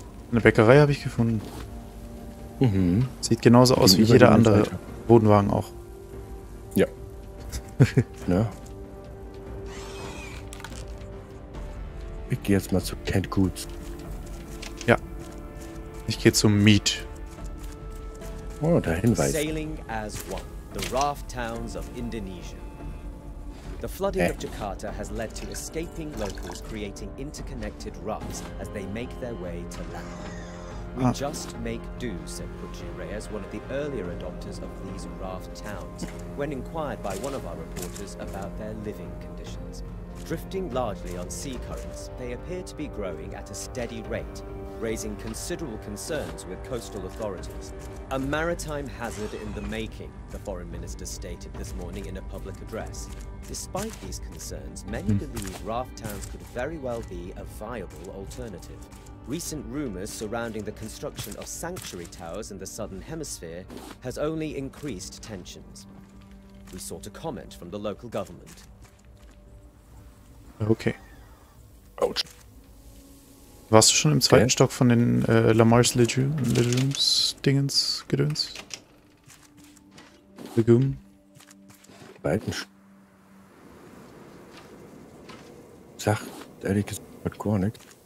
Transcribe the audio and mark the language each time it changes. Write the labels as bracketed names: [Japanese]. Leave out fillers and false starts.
[German] Eine Bäckerei habe ich gefunden. Sieht genauso aus wie jeder andere Bodenwagen auch. Ja. Ne? Ich gehe jetzt mal zu Kent Goods. Ja. Ich gehe zum Meat. Oh, der Hinweis. [English] Sailing as one. the raft towns of Indonesia. The flooding of Jakarta has led to escaping locals creating interconnected rafts as they make their way to land. We just make do, said Putri Reyes, one of the earlier adopters of these raft towns, when inquired by one of our reporters about their living conditions. Drifting largely on sea currents, they appear to be growing at a steady rate, raising considerable concerns with coastal authorities. A maritime hazard in the making, the foreign minister stated this morning in a public address. Despite these concerns, many believe raft towns could very well be a viable alternative. Recent rumors surrounding the construction of sanctuary towers in the southern hemisphere has only increased tensions. We sought a comment from the local government. Okay. Ouch. [German] Warst du schon im zweiten Stock von den Lamar's Legumes Dingens Gedöns? Legumen? Beiden. Sag, ehrlich gesagt, gar nicht.